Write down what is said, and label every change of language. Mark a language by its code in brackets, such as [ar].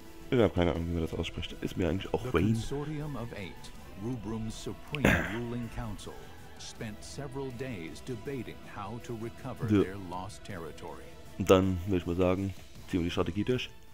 [de] Ich habe keine Ahnung, wie man das ausspricht. Ist mir eigentlich auch Wayne. [en] Consortium of Eight, Rubrum's supreme ruling council, spent several days debating how to recover their lost territory. [de] Dann würde ich mal sagen, ziehen wir die Strategie durch.